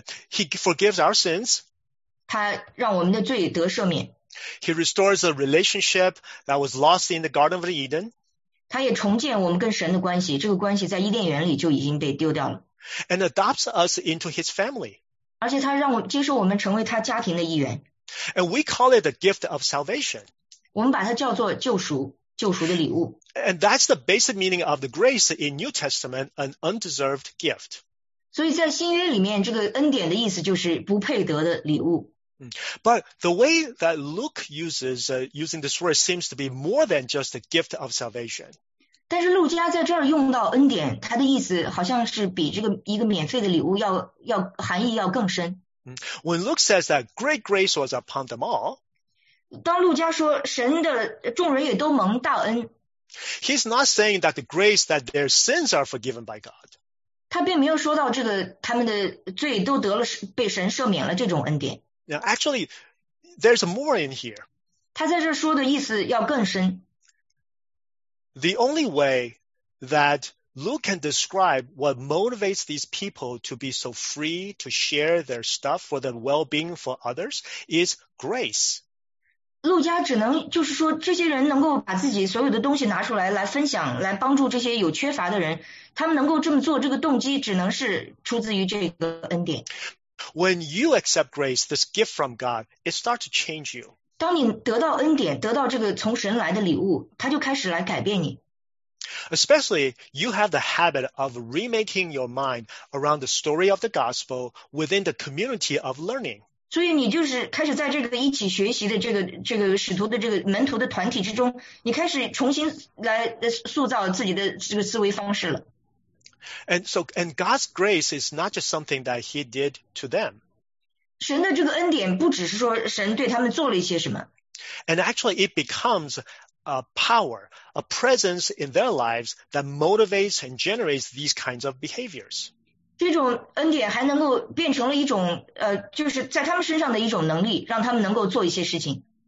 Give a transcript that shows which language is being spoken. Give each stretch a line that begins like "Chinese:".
English: He forgives our sins.
Chinese: 他让我们的罪得赦免。
English: He restores a relationship that was lost in the Garden of Eden.
Chinese: 他也重建我们跟神的关系，这个关系在伊甸园里就已经被丢掉了。
English: And adopts us into his family.
Chinese: 而且他让我接受我们成为他家庭的一员。
English: And we call it the gift of salvation.
Chinese: 我们把它叫做救赎的礼物。
English: And that's the basic meaning of the grace in New Testament, an undeserved gift.
Chinese: 所以在新约里面，这个恩典的意思就是不配得的礼物。
English: But the way that Luke uses, using this word seems to be more than just the gift of salvation.
Chinese: 但是路加在这儿用到恩典，他的意思好像是比这个一个免费的礼物要含义要更深。
English: When Luke says that great grace was upon them all,
Chinese: 当路加说神的众人也都蒙大恩，
English: he's not saying that the grace that their sins are forgiven by God.
Chinese: 他并没有说到这个他们的罪都得了被神赦免了这种恩典。
English: Now, actually, there's more in here.
Chinese: 他在这说的意思要更深。
English: The only way that Luke can describe what motivates these people to be so free to share their stuff for their well-being for others is grace.
Chinese: 路加只能就是说这些人能够把自己所有的东西拿出来来分享来帮助这些有缺乏的人他们能够这么做这个动机只能是出自于这个恩典。
English: When you accept grace, this gift from God, it starts to change you.
Chinese: 当你得到恩典得到这个从神来的礼物它就开始来改变你。
English: Especially, you have the habit of remaking your mind around the story of the gospel within the community of learning.
Chinese: 所以你就是开始在这个一起学习的这个使徒的这个门徒的团体之中，你开始重新来塑造自己的这个思维方式了。
English: And God's grace is not just something that He did to them.
Chinese: 神的这个恩典不只是说神对他们做了一些什么。
English: And actually, it becomes. A power, a presence in their lives that motivates and generates these kinds of behaviors.
Chinese: 这种恩典还能够变成了一种就是在他们身上的一种能力，让他们能够做一些事情。